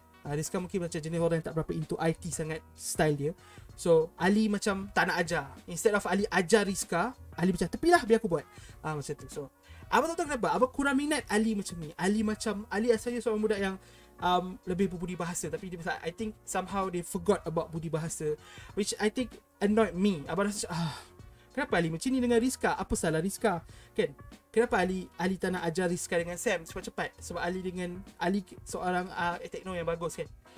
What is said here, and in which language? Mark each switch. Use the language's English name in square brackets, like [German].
[Malay] Rizka mungkin macam jenis orang yang tak berapa into IT sangat, style dia. So Ali macam tak nak ajar. Instead of Ali ajar Rizka, Ali macam tepilah biar aku buat. Macam tu. So Abang tak tahu kenapa Abang kurang minat Ali macam ni. Ali asalnya seorang budak yang lebih berbudi bahasa. [English] Tapi dia macam, I think somehow they forgot about budi bahasa, which I think annoyed me. [Malay] Abang rasa kenapa Ali macam ni dengan Rizka? Apa salah Rizka? Kan? Kenapa Ali tak nak ajar Rizka dengan Sam cepat-cepat? Sebab Ali seorang tekno yang bagus kan.